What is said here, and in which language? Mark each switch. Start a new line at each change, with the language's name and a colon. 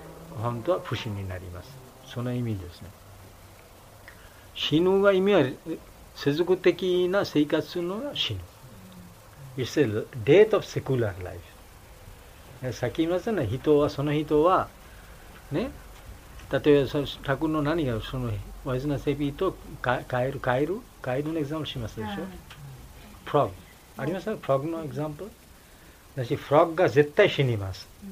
Japanese: 本当は不死になります。その意味ですね。死ぬが意味は世俗的な生活の死ぬ。
English: It's a date of secular life.
Japanese: さっき言いましたね、人は、その人は、ね、例えば、タクの何が、その、ワイズナセビとカエル、カエル、カエルのエグザンプルしましたでしょ。フロッグ。ありましたね、フロッグのエグザンプル。だし、フロッグが絶対死にます。